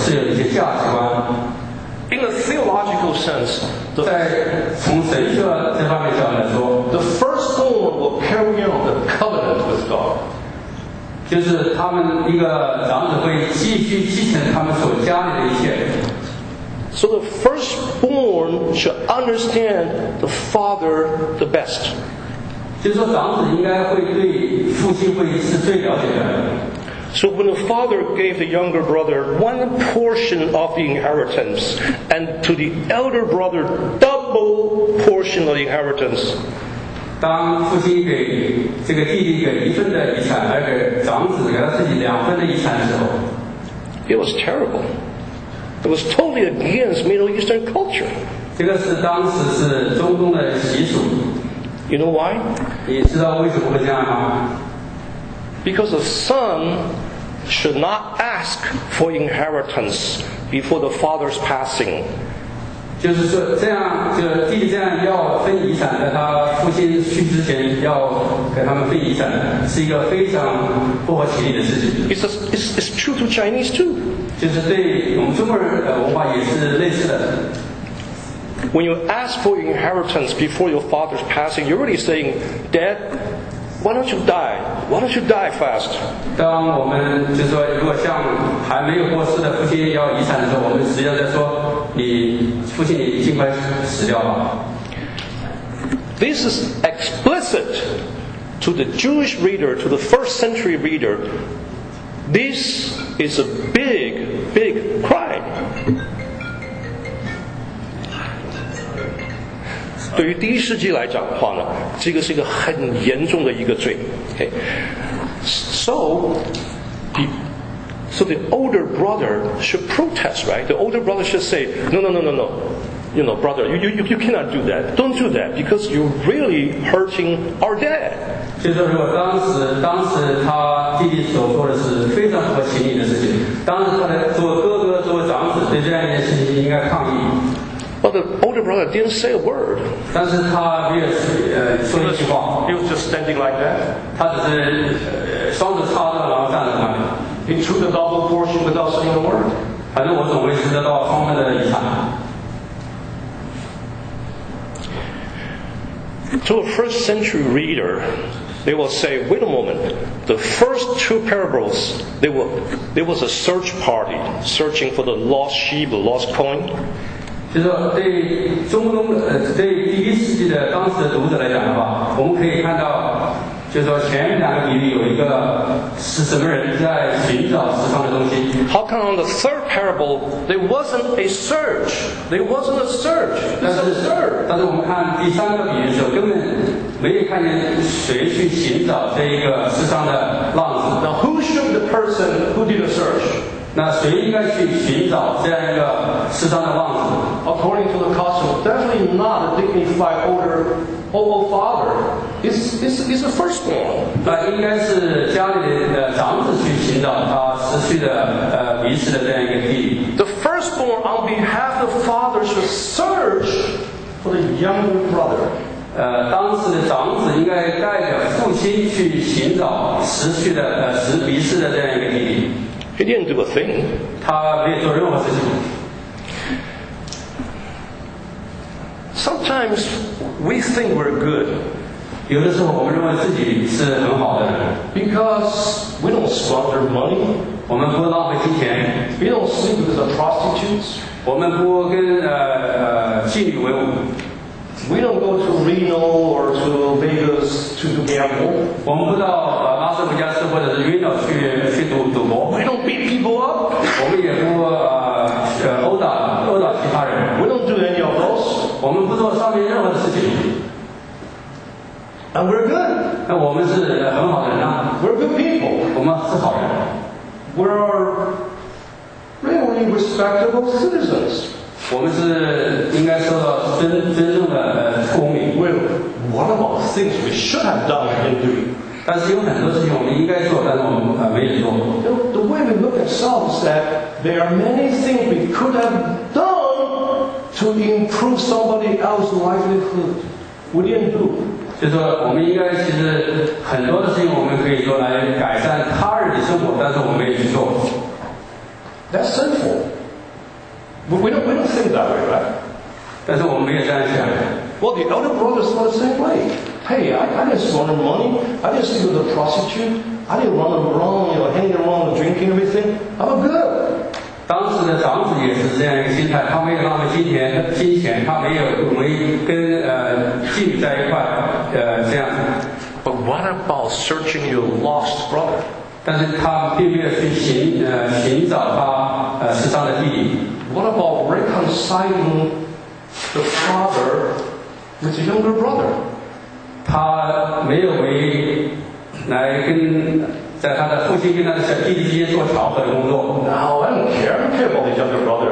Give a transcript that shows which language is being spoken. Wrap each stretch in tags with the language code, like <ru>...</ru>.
<en>In a theological sense, the firstborn will carry on the covenant with God.</en> <zh>就是他们一个长子会继续继承他们所家里的一切。</zh> <en>So the firstborn should understand the father the best.</en> <zh>就是说长子应该会对父亲会是最了解的。</zh> <en>So when the father gave the younger brother one portion of the inheritance, and to the elder brother double portion of the inheritance,</en> <zh>当父亲给这个弟弟给一份的遗产，而给长子给他自己两份的遗产的时候，</zh> <en>It was terrible. It was totally against Middle Eastern culture.</en> <zh>这个是当时是中东的习俗。</zh> <en>You know why?</en> <zh>你知道为什么会这样吗？</zh> <en>Because a son should not ask for inheritance before the father's passing.</en> <zh>就是说这样，就弟弟这样要分遗产，在他父亲去之前要给他们分遗产，是一个非常不合情理的事情。</zh> <en>It's true to Chinese too.</en> <zh>就是对我们中国人的文化也是类似的。</zh> <en>When you ask for inheritance before your father's passing, you're really saying, Dad,Why don't you die? Why don't you die fast?</en> <zh>当我们就说如果像还没有过世的父亲要遗产的时候，我们实际上在说，你父亲你尽快死掉吧。</zh> <en>This is explicit to the Jewish reader, to the first century reader. This is a big, big crime.</en> <zh>对于第一世纪来讲的话呢，这个是一个很严重的一个罪。</zh> <en>Okay. So the older brother should protest, right? The older brother should say, no. You know, brother, you cannot do that. Don't do that because you're really hurting our dad.</en> <zh>就是如果当时他弟弟所做的是非常不合情理的事情，当时他的作为哥哥作为长子对这样一件事情应该抗议。</zh> <en>But the older brother didn't say a word.</en> <zh>但是他没有说一句话。</zh> <en>He was just standing like that.</en> <zh>他只是双手插着，然后站在那里。</zh> <en>He took the double portion without saying a word.</en> <zh>反正我总会知道双份的遗产。</zh> <en>To a first century reader, they will say, "Wait a moment. The first two parables, there was a search party searching for the lost sheep, the lost coin."</en> <zh>就是对中东对第一世纪的当时的读者来讲的话，我们可以看到，就是说前面两个比喻有一个是什么人在寻找失丧的东西。</zh> <en>How come on the third parable there wasn't a search? There wasn't a search. That's absurd.</en> <zh>但是我们看第三个比喻的时候，根本没有看见谁去寻找这一个失丧的浪子。</zh> <en>Now who should the person who did a search?</en> <zh>那谁应该去寻找这样一个失丧的浪子</zh> <en>？According to the custom, definitely not a dignified older father. It's a firstborn.</en> <zh>那应该是家里的长子去寻找他失去的遗失的这样一个弟弟。</zh> <en>The firstborn on behalf of the father should search for the younger brother.</en> <zh>当时的长子应该代表父亲去寻找失去的遗失的这样一个弟弟。</zh> <en>He didn't do a thing.</en> <zh>他没做任何事情。</zh> <en>Sometimes we think we're good.</en> <zh>有的时候我们认为自己是很好的。</zh> <en>Because we don't squander money.</en> <zh>我们不浪费金钱。</zh> <en>We don't sleep with the prostitutes.</en> <zh>我们不跟妓女为伍。</zh> <en>We don't go to Reno or to Vegas to gamble.</en> <zh>我们不到拉斯维加斯或者是 Reno 去赌博。</zh> <en>We don't beat people up.</en> <zh>我们也不殴打其他人。</zh> <en>We don't do any of those.</en> <zh>我们不做上面任何的事情。</zh> <en>And we're good.</en> <zh>那我们是很好的人啊。</zh> <en>We're good people.</en> <zh>我们是好人。</zh> <en>We're really respectable citizens.</en> <zh>我们是应该受到真正的公民。</zh> <en>Well, what about things we should have done and didn't do?</en> <zh>但是有很多事情我们应该做，但是我们没有做。</zh> <en>The way we look at ourselves is that there are many things we could have done to improve somebody else's livelihood. We didn't do.</en> <zh>就是我们应该其实很多的事情我们可以做来改善他人的生活，但是我们没有去做。</zh> <en>That's sinful. We don't think that way, right?</en> <zh>但是我们没有这样想。</zh> <en>Well, the elder brothers thought the same way. Hey, I didn't squander money. I didn't sleep with a prostitute. I didn't run around, you know, hanging around, drinking everything. I'm good.</en> <zh>当时的长子也是这样一个心态，他没有浪费金钱，他没跟妓女在一块，这样。</zh> <en>But what about searching your lost brother?</en> <zh>但是他并没有去寻找他失丧的弟弟。</zh> <en>What about reconciling the father with the younger brother?</en> <zh>他没有为来跟在他的父亲跟他的小弟弟之间做调和的工作。</zh> <en>Now, I don't care. I don't care about his younger brother.</en>